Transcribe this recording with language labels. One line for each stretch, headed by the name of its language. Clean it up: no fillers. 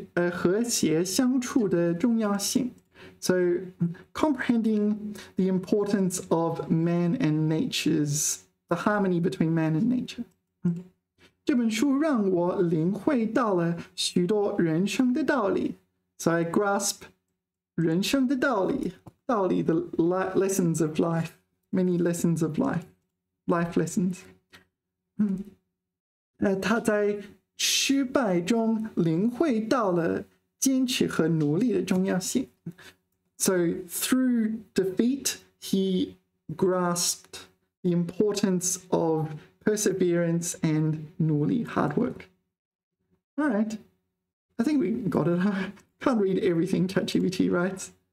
Chinese: 旅行中他领会了人与自然之和谐相处的重要性.
English: So comprehending the importance of man and nature's, the harmony between man and nature.
Chinese: 这本书让我领会到了许多人生的道理.
English: So I grasp
Chinese: 人生的道理, 道理,
English: the lessons of life, many lessons of life, life lessons.
Chinese: 他在失败中领会到了坚持和努力的重要性.
English: So through defeat, he grasped the importance of perseverance and 努力, hard work. All right. I think we got it. I can't read everything ChatGPT writes.